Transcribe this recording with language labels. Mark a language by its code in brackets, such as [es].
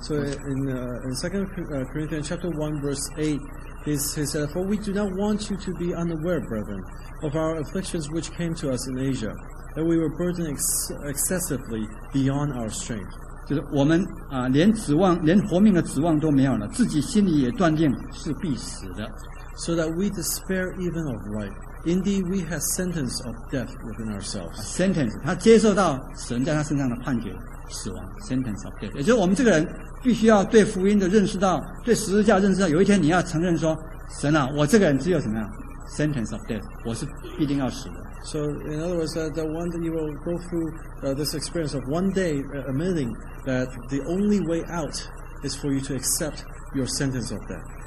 [en] So in Second Corinthians chapter 1 verse 8, he said, "For we do not want you to be unaware, brethren, of our afflictions which came to us in Asia, that we were burdened excessively beyond our strength." [zh] 就是我们连指望连活命的指望都没有了，自己心里也断定是必死的。 [en] So that we despair even of life. Indeed, we have sentence of death within ourselves. Sentence, [zh] 他接受到神在他身上的判决，死亡。 [en] Sentence of death， [zh] 也就是我们这个人必须要对福音的认识到，对十字架认识到，有一天你要承认说，神啊，我这个人只有什么样？ [en] Sentence of death， [zh] 我是必定要死的。 [en] So in other words, the one that you will go through this experience of one day admitting that the only way out is for you to accept your sentence of death.